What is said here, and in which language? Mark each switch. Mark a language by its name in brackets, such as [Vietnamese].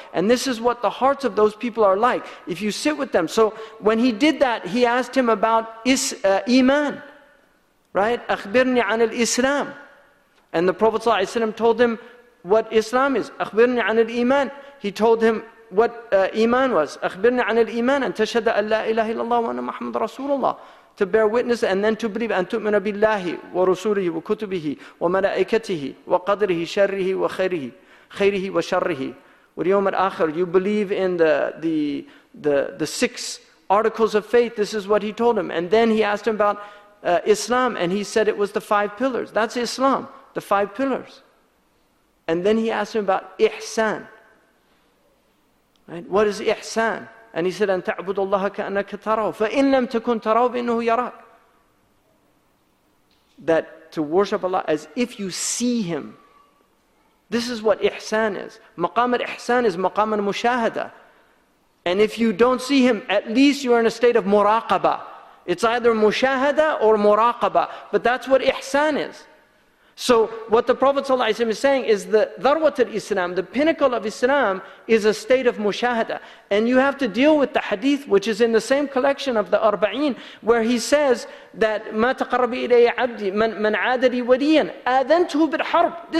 [English] And this is what the hearts of those people are like. If you sit with them. So when he did that, he asked him about Iman. Right? [Arabic] أخبرني عن الإسلام. [English] And the Prophet ﷺ told him what Islam is. [Arabic] أخبرني عن الإيمان. [English] He told him what Iman was. [Arabic] أخبرني عن الإيمان. أن تشهد أن لا إله إلا الله وأن محمد رسول الله. [English] To bear witness and then to believe and [Arabic] تؤمن بالله ورسوله وكتبه وملائكته وقدره شره وخيره خيره وشره واليوم الآخر. [English] You believe in the six articles of faith. This is what he told him. And then he asked him about Islam, and he said it was the five pillars. That's Islam, the five pillars. And then he asked him about Ihsan. Right? What is Ihsan? And he said, [Arabic] أن تعبد الله كأنك تراه فإن لم تكن تراه فإنه يراك. [English] That to worship Allah as if you see Him. This is what Ihsan is. [Arabic] مقام الإحسان [English] is [Arabic] مقام المشاهدة. [English] And if you don't see Him, at least you are in a state of مراقبة. It's either مشاهدة or مراقبة. But that's what Ihsan is. So what the Prophet ﷺ is saying is the dharwat al-Islam, the pinnacle of Islam, is a state of mushahada. And you have to deal with the hadith, which is in the same collection of the Arba'een, where he says that [Arabic] مَا تَقَرَّبِ إِلَيَّ عَبْدِي مَنْ عَادَ لِي وَلِيًا أَذَنْتُهُ بِالْحَرْبِ.